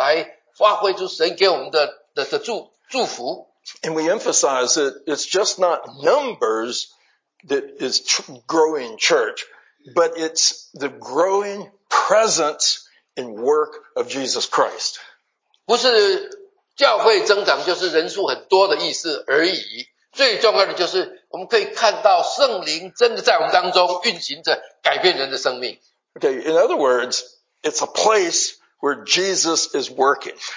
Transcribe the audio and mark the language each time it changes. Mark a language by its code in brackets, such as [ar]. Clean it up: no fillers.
[zh] 因为昨天我们在教导一个很重要的主题，就是教会如何被主得着充满，然后来做见证，来发挥出神给我们的祝福。 [en] And we emphasize that it's just not numbers that is growing church, but it's the growing presence and work of Jesus Christ. [zh] 不是教会增长就是人数很多的意思而已，最重要的就是我们可以看到圣灵真的在我们当中运行着，改变人的生命。 [en] Okay, in other words, it's a place where Jesus is working.